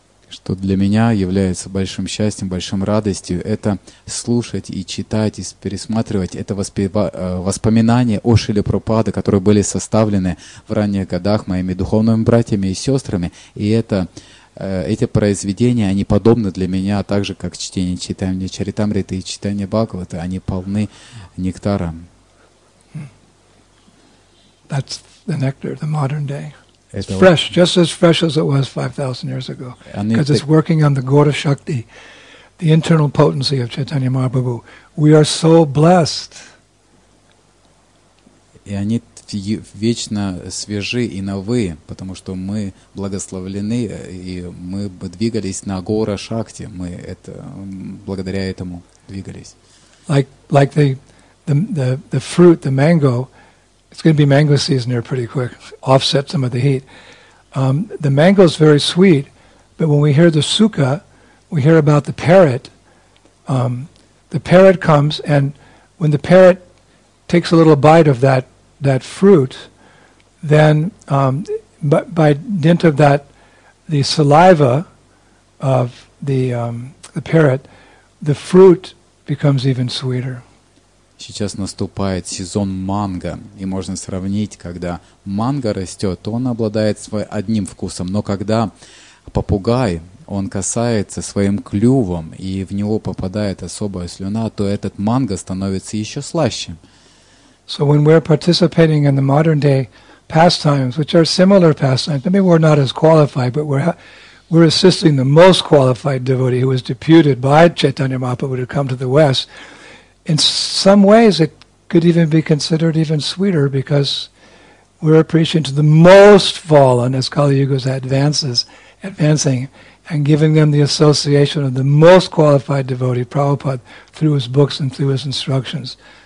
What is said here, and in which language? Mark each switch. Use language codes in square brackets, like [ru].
[ru] Что для меня является большим счастьем, большим радостью, это слушать и читать, и пересматривать это воспоминания о Шриле Прабхупаде, которые были составлены в ранних годах моими духовными братьями и сестрами. И это эти произведения, они подобны для меня так же, как чтение Чайтанья Чаритамриты и чтение Бхагаваты, они полны нектара. [en] That's the nectar, the modern day. It's fresh, just as fresh as it was 5,000 years ago. Because it's working on the Gaura Shakti, the internal potency of Chaitanya Mahaprabhu. We are so blessed. [ru] И они вечно свежи и новы, потому что мы благословлены, и мы двигались на Гаура Шакти. Мы это, благодаря этому двигались. [en] Like the fruit, the mango, it's going to be mango season here pretty quick, offset some of the heat. The mango is very sweet, but when we hear the sukha, we hear about the parrot. The parrot comes, and when the parrot takes a little bite of that fruit, then by dint of that, the saliva of the parrot, the fruit becomes even sweeter. [ru] Сейчас наступает сезон манго, и можно сравнить, когда манго растет, то он обладает своим одним вкусом, но когда попугай, он касается своим клювом, и в него попадает особая слюна, то этот манго становится еще слаще. [en] So when we're participating in the modern day pastimes, which are similar pastimes, maybe we're not as qualified, but we're assisting the most qualified devotee who was deputed by Chaitanya Mahaprabhu to come to the West. In some ways, it could even be considered even sweeter because we're preaching to the most fallen as Kali Yuga's advancing, and giving them the association of the most qualified devotee, Prabhupada, through his books and through his instructions.